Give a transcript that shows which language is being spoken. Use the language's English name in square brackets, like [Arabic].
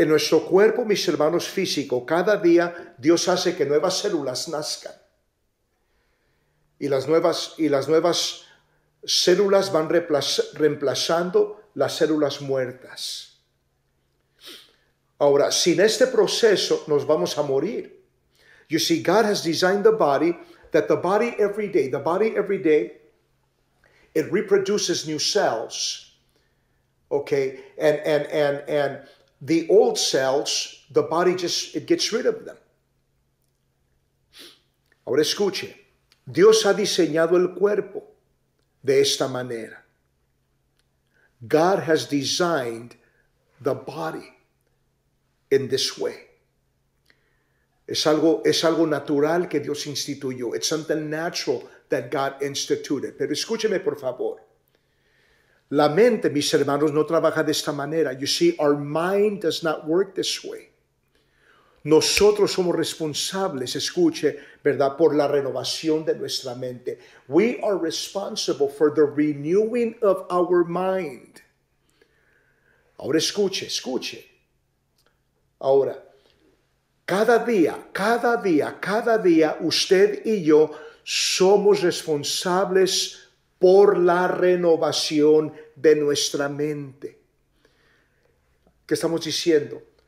[Spanish] En nuestro cuerpo, mis hermanos, físico, cada día Dios hace que nuevas células nazcan. Y las nuevas células van reemplazando las células muertas. Ahora, sin este proceso, nos vamos a morir. [English] You see, God has designed the body that the body every day, it reproduces new cells. Okay, and the old cells, the body just, it gets rid of them. [Spanish] Ahora escuche, Dios ha diseñado el cuerpo de esta manera. [English] God has designed the body in this way. [Spanish] Es algo natural que Dios instituyó. [English] It's something natural that God instituted. [Spanish] Pero escúcheme, por favor. La mente, mis hermanos, no trabaja de esta manera. [English] You see, our mind does not work this way. [Spanish] Nosotros somos responsables, escuche, ¿verdad?, por la renovación de nuestra mente. [English] We are responsible for the renewing of our mind. [Spanish] Ahora escuche. Ahora, cada día, usted y yo somos responsables por la renovación de nuestra mente. ¿Qué estamos diciendo?